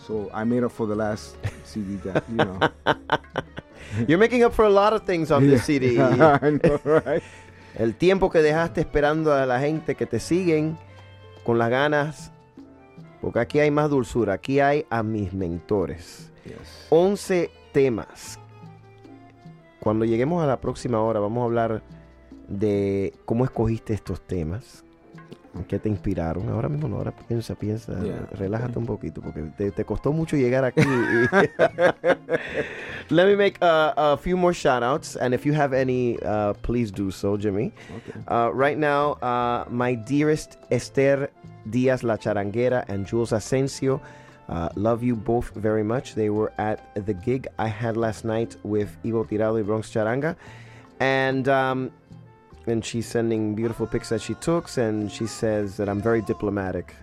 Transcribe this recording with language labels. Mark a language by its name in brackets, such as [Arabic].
[English] So I made up for the last CD that, you know. You're making up for a lot of things on this CD. I know, right? [Spanish] El tiempo que dejaste esperando a la gente que te siguen con las ganas, porque aquí hay más dulzura, aquí hay a mis mentores. [English] Yes. [Spanish] 11 temas. Cuando lleguemos a la próxima hora, vamos a hablar de cómo escogiste estos temas. ¿Qué te inspiraron? Ahora mismo no, ahora piensa, yeah, relájate un poquito porque te costó mucho llegar aquí. [English] Let me make a few more shout outs, and if you have any, please do so, Jimmy. Okay. Right now, my dearest Esther Diaz La Charanguera and Jules Asensio, love you both very much. They were at the gig I had last night with Ivo Tirado y Bronx Charanga, and she's sending beautiful pics that she took, and she says that I'm very diplomatic.